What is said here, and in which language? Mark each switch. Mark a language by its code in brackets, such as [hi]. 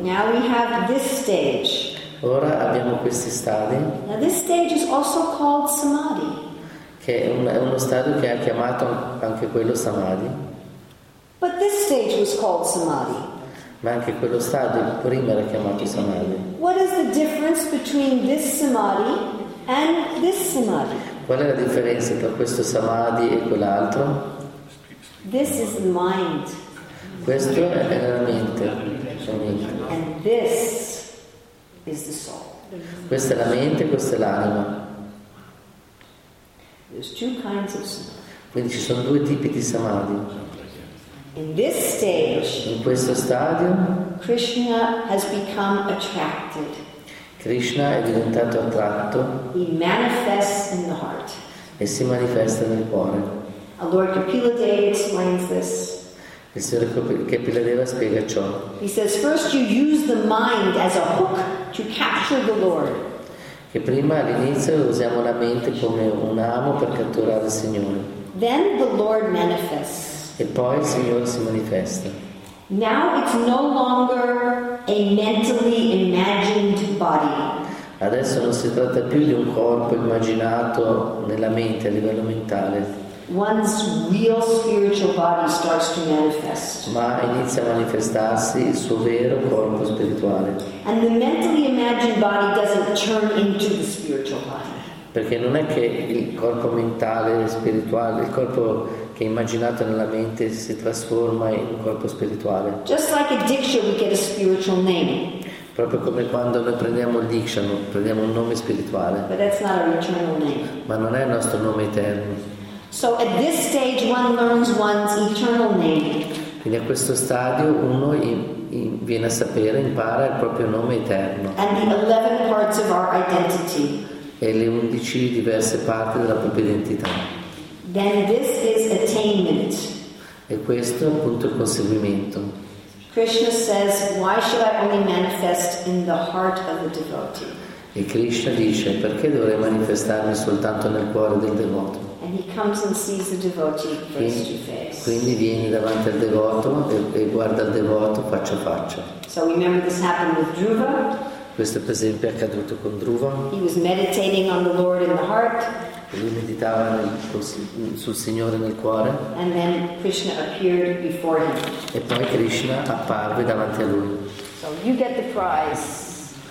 [en] Now we have this stage. [it] Ora abbiamo questi stadi. [en] Now this stage is also called samadhi. [it] Che è uno stadio che è chiamato anche quello samadhi. [en] But this stage was called samadhi. [it] Ma anche quello stadio prima era chiamato samadhi. [en] What is the difference between this samadhi and this samadhi? [it] Qual è la differenza tra questo samadhi e quell'altro? [en] This is the mind. [it] Questo è la mente. La mente. [en] And this is the soul. [it] Questa è la mente, questa è l'anima. [en] There's two kinds of samadhi. [it] Quindi ci sono due tipi di samadhi. [en] In this stage, [it] in questo stadio, [en] Krishna has become attracted. [it] Krishna è diventato attratto. [en] He manifests in the heart. [it] E si manifesta nel cuore. [en] Lord Kapila Deva explains this. [it] Il signore Kapila Deva spiega ciò. [en] He says, first you use the mind as a hook to capture the Lord. [it] Che prima all'inizio usiamo la mente come un amo per catturare il Signore. [en] Then the Lord manifests. [it] E poi il Signore si manifesta. [en] Now it's no longer a mentally imagined body. [it] Adesso non si tratta più di un corpo immaginato nella mente a livello mentale. [en] One's real spiritual body starts to manifest. [it] Ma inizia a manifestarsi il suo vero corpo spirituale. [en] And the mentally imagined body doesn't turn into the spiritual body. [it] Perché non è che il corpo mentale spirituale, il corpo che è immaginato nella mente si trasforma in un corpo spirituale. [en] Just like a diksha, we get a spiritual name. [it] Proprio come quando noi prendiamo il diksha, prendiamo un nome spirituale. [en] But that's not our eternal name. [it] Ma non è il nostro nome eterno. [en] So at this stage one learns one's eternal name. [it] Quindi a questo stadio uno viene a sapere, impara il proprio nome eterno. [en] And the 11 parts of our identity. [it] E le 11 diverse parti della propria identità. [en] Then this is attainment. [it] E questo è appunto il conseguimento. [en] Krishna says, why should I only manifest in the heart of the devotee? [it] E Krishna dice, perché dovrei manifestarmi soltanto nel cuore del devoto? [en] And he comes and sees the devotee face to face. [it] Quindi viene davanti al devoto e guarda il devoto faccia a faccia. [en] So remember this happened with Dhruva. [it] Questo per esempio è accaduto con Dhruva. [en] He was meditating on the Lord in the heart. [it] E lui meditava sul Signore nel cuore. [en] And then Krishna appeared before him. [it] E poi Krishna apparve davanti a lui. [en] So you get the prize.